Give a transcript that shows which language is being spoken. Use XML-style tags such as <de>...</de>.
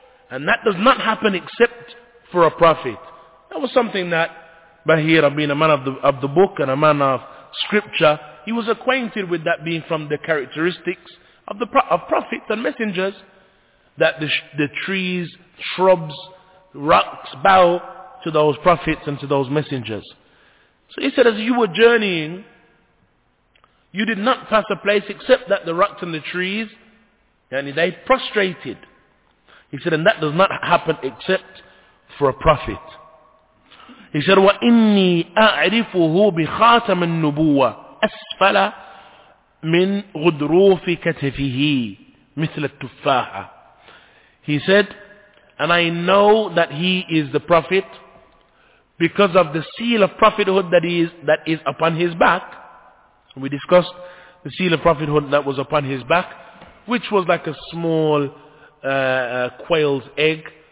<en>And that does not happen except for a prophet. That was something that Bahira, being a man of the book and a man of scripture, he was acquainted with, that being from the characteristics of prophets and messengers, that the trees, shrubs, rocks bow to those prophets and to those messengers. So he said, "As you were journeying, you did not pass a place except that the rocks and the trees, and they prostrated." He said, "And that does not happen except for a prophet." He said,</en> <ar>"وَإِنِّي أَعْرِفُهُ بِخَاتَمَ النُّبُوَّةِ أَسْفَلَ مِنْ غُدْرُوفِ كَتَفِهِ مِثْلَ التُّفَّاحَ."</ar> <en>He said, "And I know that he is the prophet because of the seal of prophethood that is upon his back." We discussed the seal of prophethood that was upon his back, which was like a small quail's egg.</en>